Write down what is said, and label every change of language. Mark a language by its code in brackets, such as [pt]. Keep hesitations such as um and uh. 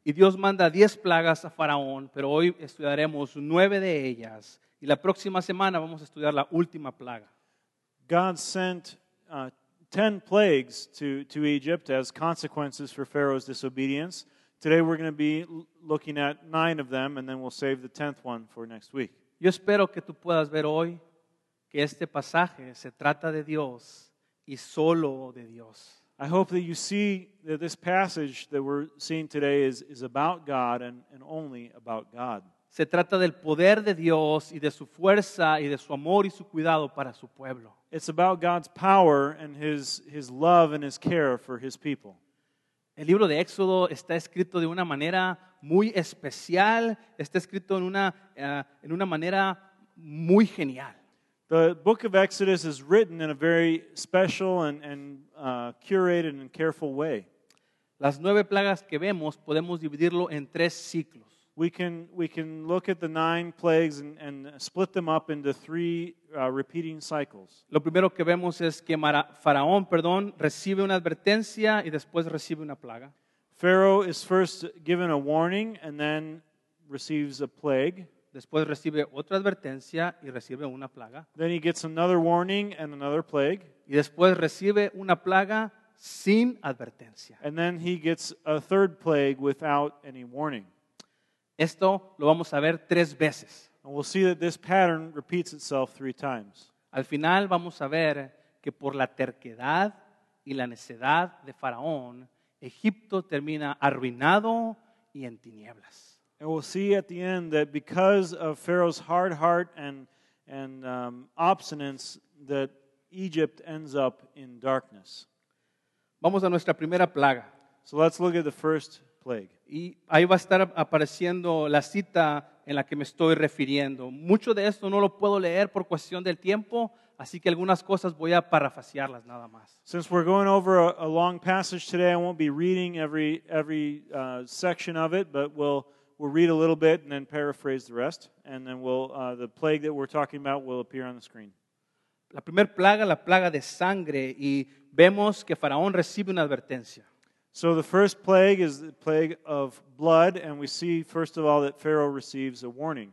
[es] Y Dios manda 10 plagas a Faraón, pero hoy estudiaremos 9 de ellas y la próxima semana la [en] God sent uh, 10 plagues to, to Egypt as consequences for Pharaoh's disobedience. Today we're going to be looking at 9 of them and then we'll save the 10th one for next week. [es] Yo espero que tú puedas ver hoy que este pasaje se trata de Dios y solo de Dios. [en] I hope that you see that this passage that we're seeing today is, is about God and, and only about God. [es] Se trata del poder de Dios y de su fuerza y de su amor y su cuidado para su pueblo. [en] It's about God's power and his, his love and his care for his people. [es] El libro de Éxodo está escrito de una manera muy especial, está escrito en una, uh, en una manera muy genial. [en] the book of Exodus is written in a very special and, and uh, curated and careful way. [es] Las nueve plagas que vemos podemos dividirlo en tres ciclos. [en] We can, we can look at the nine plagues and, and split them up into three uh, repeating cycles. [es] Lo primero que vemos es que Mara, Faraón, perdón, recibe una advertencia y después recibe una plaga. [en] Pharaoh is first given a warning and then receives a plague. [es] Después recibe otra advertencia y recibe una plaga. [en] Then he gets another warning and another plague. [es] Y después recibe una plaga sin advertencia. Esto lo vamos a ver tres veces. Al final vamos a ver que por la terquedad y la necedad de Faraón, Egipto termina arruinado y en tinieblas. [en] And we'll see at the end that because of Pharaoh's hard heart and, and um, that Egypt ends up in darkness. [es] Vamos a nuestra primera plaga. [en] So let's look at the first plague. [es] Y ahí va a estar apareciendo la cita en la que me estoy refiriendo. Mucho de esto no lo puedo leer por cuestión del tiempo, así que algunas cosas voy a parafasearlas nada más. [en] Since we're going over a, a, long passage today, I won't be reading every, every uh, section of it, but we'll we'll read a little bit and then paraphrase the rest, and then we'll, uh, the plague that we're talking about will appear on the screen. [es] La primera plaga, la plaga de sangre, y vemos que Faraón recibe una advertencia. [en] So the first plague is the plague of blood, and we see, first of all, that Pharaoh receives a warning.